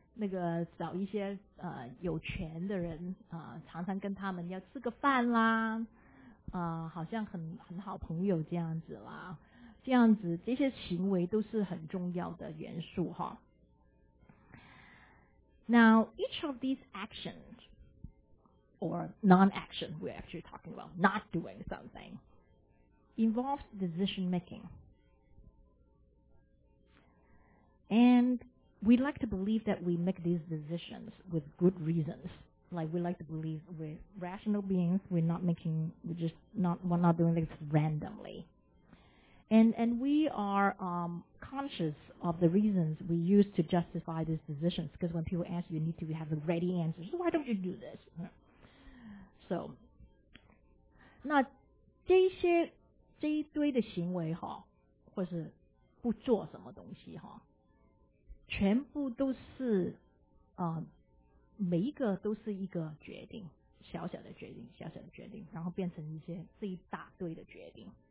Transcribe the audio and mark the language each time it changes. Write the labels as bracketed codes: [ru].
[zh] 那个找一些有权的人常常跟他们要吃个饭啦，好像很好朋友这样子啦，这样子这些行为都是很重要的元素哈。 [en] Now, each of these actions, or non-action, we're actually talking about not doing something, involves decision-making. And we like to believe that we make these decisions with good reasons. Like, we like to believe we're rational beings, we're not doing this randomly. And we are conscious of the reasons we use to justify these decisions, because when people ask, you need to have a ready answer. So why don't you do this? [zh] So, 那这一堆的行为哈，或是不做什么东西哈，全部都是每一个都是一个决定，小小的决定，小小的决定，然后变成一些这一大堆的决定。